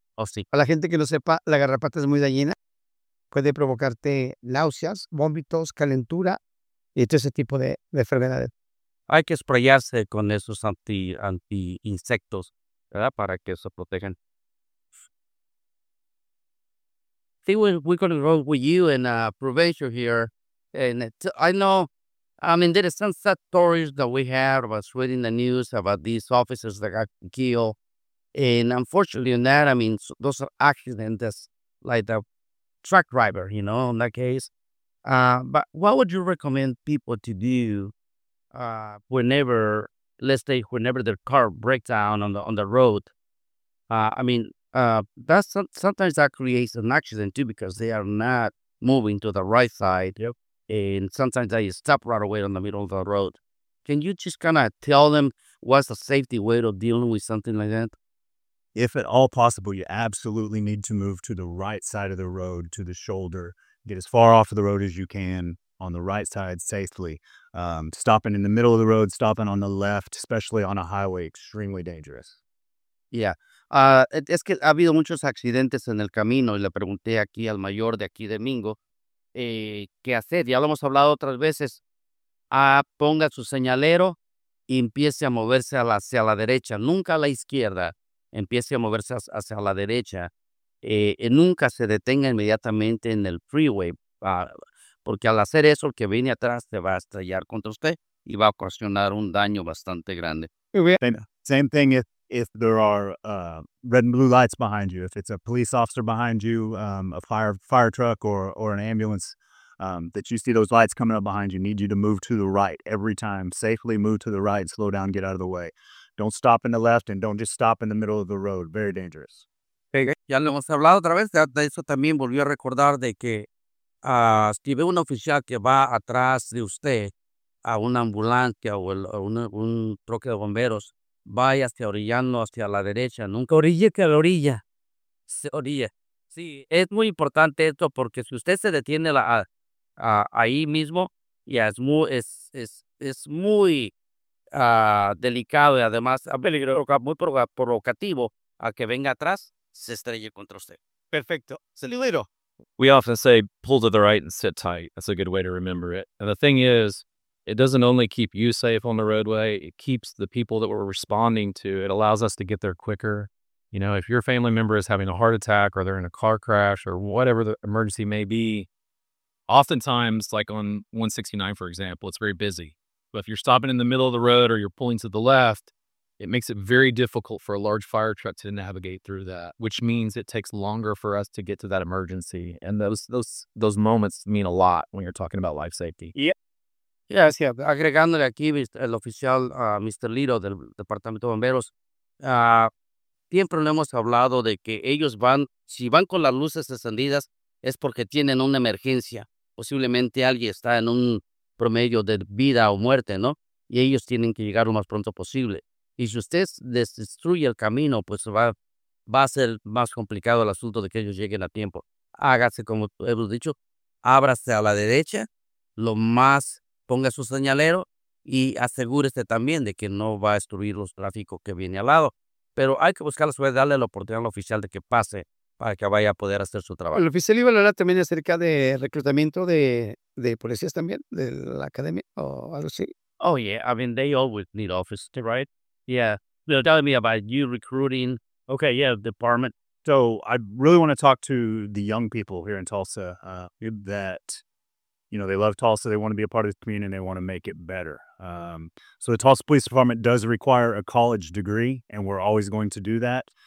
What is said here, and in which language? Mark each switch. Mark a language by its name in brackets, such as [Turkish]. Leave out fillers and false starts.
[Spanish] Oh, sí. Para la gente que no sepa, la garrapata es muy dañina. Puede provocarte náuseas, vómitos, calentura, y todo ese tipo de enfermedades. Hay que sprayarse con esos anti insectos, ¿verdad? Para que se protejan. [English] I think we're going to go with you in a prevention here. And I know... I mean, there are some sad stories that we have about reading the news about these officers that got killed. And unfortunately in that, I mean, those are accidents like the truck driver, you know, in that case. But what would you recommend people to do whenever, let's say, whenever their car breaks down on the road? That's sometimes that creates an accident too because they are not moving to the right side. Yep. And sometimes they stop right away in the middle of the road. Can you just kind of tell them what's the safety way of dealing with something like that? If at all possible, you absolutely need to move to the right side of the road, to the shoulder. Get as far off of the road as you can on the right side safely. Stopping in the middle of the road, stopping on the left, especially on a highway, extremely dangerous. Yeah. [Spanish] Es que ha habido muchos accidentes en el camino. Y le pregunté aquí al mayor de aquí, Domingo, ¿qué hacer? Ya lo hemos hablado otras veces. Ponga su señalero y empiece a moverse hacia la derecha, nunca a la izquierda. empiece a moverse hacia la derecha, nunca se detenga inmediatamente en el freeway, porque al hacer eso, el que viene atrás se va a estrellar contra usted y va a ocasionar un daño bastante grande. [English] Same thing if there are red and blue lights behind you, if it's a police officer behind you, a fire truck or an ambulance. That you see those lights coming up behind you, need you to move to the right every time. Safely move to the right, slow down, get out of the way. Don't stop in the left and don't just stop in the middle of the road. Very dangerous. [Spanish] Ya lo hemos hablado otra vez, de eso también volvió a recordar de que si ve un oficial que va atrás de usted a una ambulancia o un troque de bomberos, vaya hacia orillando hacia la derecha. Nunca orille que la orilla. Se orilla. Sí, es muy importante esto porque si usted se detiene ahí mismo, ya es muy delicado y además peligroso, muy provocativo a que venga atrás, se estrelle contra usted. Perfecto. Salido. [English] We often say, pull to the right and sit tight. That's a good way to remember it. And the thing is, it doesn't only keep you safe on the roadway, it keeps the people that we're responding to, it allows us to get there quicker. You know, if your family member is having a heart attack or they're in a car crash or whatever the emergency may be, oftentimes, like on 169, for example, it's very busy. But if you're stopping in the middle of the road or you're pulling to the left, it makes it very difficult for a large fire truck to navigate through that, which means it takes longer for us to get to that emergency. And those moments mean a lot when you're talking about life safety. [Spanish] Yeah. Yes, yeah. Agregándole aquí el oficial, Mr. Lito, del Departamento de Bomberos, siempre lo hemos hablado de que ellos van, si van con las luces encendidas, es porque tienen una emergencia. Posiblemente alguien está en un promedio de vida o muerte, ¿no? Y ellos tienen que llegar lo más pronto posible. Y si usted destruye el camino, pues va a ser más complicado el asunto de que ellos lleguen a tiempo. Hágase como hemos dicho, ábrase a la derecha, lo más ponga su señalero y asegúrese también de que no va a destruir los tráficos que viene al lado. Pero hay que buscar la suerte, darle la oportunidad al oficial de que pase para que vaya a poder hacer su trabajo. El oficial iba a hablar también acerca de reclutamiento de policías también, de la academia, o algo así. [English] Oh, yeah. I mean, they always need officers, right? Yeah. They're telling me about you recruiting. Okay, yeah, department. So I really want to talk to the young people here in Tulsa that, you know, they love Tulsa. They want to be a part of the community and they want to make it better. So the Tulsa Police Department does require a college degree, and we're always going to do that.